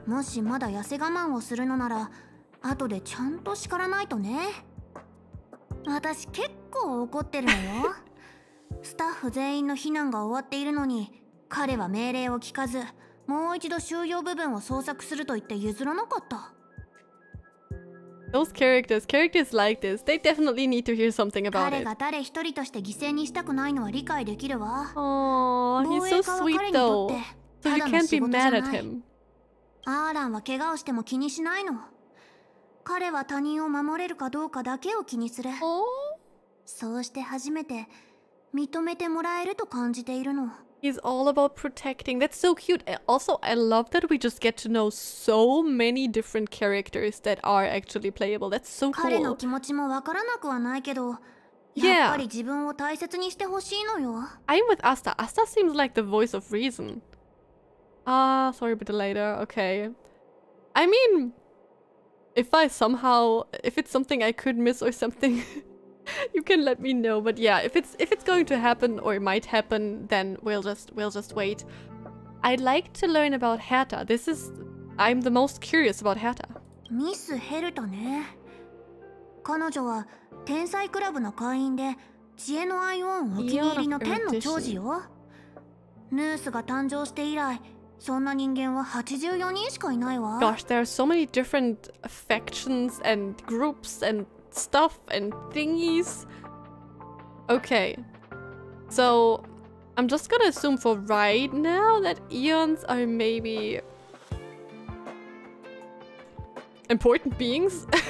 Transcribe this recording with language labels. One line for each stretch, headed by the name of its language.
Japanese: もしまだ痩せ我慢をするのなら、後でちゃんと叱らないとね。私結構怒ってるのよ。スタッフ全員の避難が終わっているのに、彼は命令を聞かず、もう一度収容部分を捜索すると言って譲らなかった。
English: Those characters like this, they definitely need to hear something about it.
Japanese: 彼が誰一人として犠牲にしたくないのは理解できるわ。
English: Oh, he's so sweet though. So you can't be mad at him.
Japanese: アーランは怪我をしても気にしないの。彼は他人を守れるかどうかだけを気にする。
English: Oh?
Japanese: そうして初めて認めてもらえると感じているの。
English: He's all about protecting. That's so cute. Also, I love that we just get to know so many different characters that are actually playable. That's so cool.
Japanese: 彼の気持ちもわからなくはないけど、
English: yeah.
Japanese: やっぱり自分を大切にしてほしいのよ。
English: I'm with Asta. Asta seems like the voice of reason. Ah, sorry, but later. Okay. I mean, if it's something I could miss or something. You can let me know, but yeah, if it's going to happen or it might happen, then we'll just wait. I'd like to learn about Hertha. I'm the most curious about Hertha. Miss Hertha, ne?
Japanese: 彼女は天才クラブの会員で知恵のアイオンお気に入りの天の長寿よ。ヌースが誕生して以来、そんな人間は84人しかいないわ。
English: Gosh, there are so many different factions and groups and stuff and thingies. Okay, so I'm just gonna assume for right now that eons are maybe important beings.